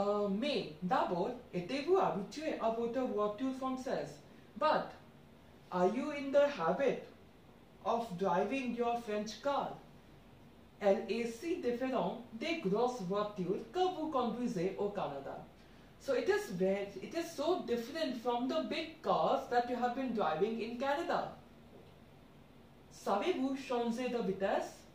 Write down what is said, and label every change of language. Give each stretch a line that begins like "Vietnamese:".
French: Mais d'abord, êtes-vous habitué à votre voiture française?
English: But, are you in the habit of driving your French car?
French: Elle est si différente des grosses voitures que vous conduisez au Canada.
English: So it is so different from the big cars that you have been driving in Canada.
French: Savez-vous changer de vitesse?